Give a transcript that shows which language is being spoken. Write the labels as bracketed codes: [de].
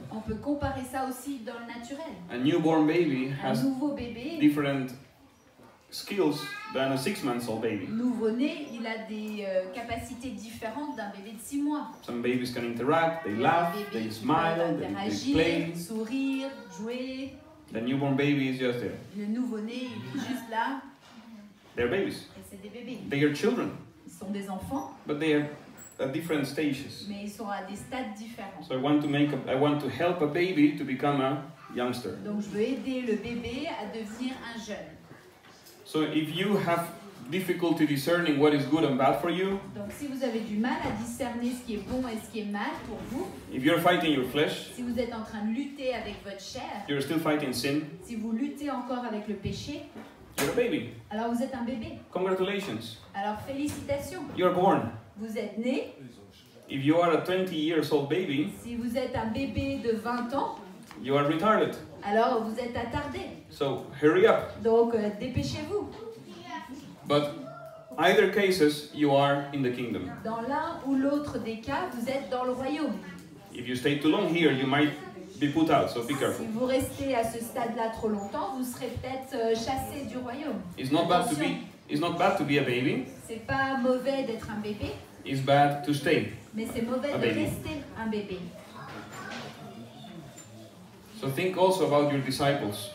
[fr] On peut comparer ça aussi dans le naturel. [en] A newborn baby [fr] has un nouveau bébé [en] different skills than a 6-month-old baby. [fr] Nouveau-né, il a des capacités différentes d'un bébé de 6 mois. [en] Some babies can interact, they laugh, they smile, they play. [fr] Sourire, jouer. [en] The newborn baby is just there. [fr] Le nouveau-né, il est juste là. [en] They're babies. [fr] Et c'est des bébés. [en] They are children. [fr] Ils sont des enfants. [en] But they are at different stages. [fr] Mais ils sont à des stades différents. [en] So I want to help a baby to become a youngster. [fr] Donc je veux aider le bébé à devenir un jeune. [en] So if you have difficulty discerning what is good and bad for you, [fr] donc si vous avez du mal à discerner ce qui est bon et ce qui est mal pour vous, [en] if you're fighting your flesh, [fr] si vous êtes en train de lutter avec votre chair, [en] you're still fighting sin, [fr] si vous luttez encore avec le péché, [en] you're a baby. [fr] Alors vous êtes un bébé. [en] Congratulations. [fr] Alors félicitations. [en] You're born. [fr] Vous êtes né. [en] If you are a 20 years old baby, [fr] si vous êtes un bébé de 20 ans, [en] you are retarded. [fr] Alors vous êtes attardé. [en] So hurry up. [fr] Donc dépêchez-vous. [en] But either cases, you are in the kingdom. [fr] Dans l'un ou l'autre des cas, vous êtes dans le royaume. [en] If you stay too long here, you might be put out. So be careful. [fr] Si vous restez à ce stade-là trop longtemps, vous serez peut-être chassé du royaume. [en] It's not bad to be. It's not bad to be a baby. [fr] C'est pas mauvais d'être un bébé. [en] It's bad to stay. [fr] Mais c'est mauvais de rester un bébé. [en] So think also about your disciples.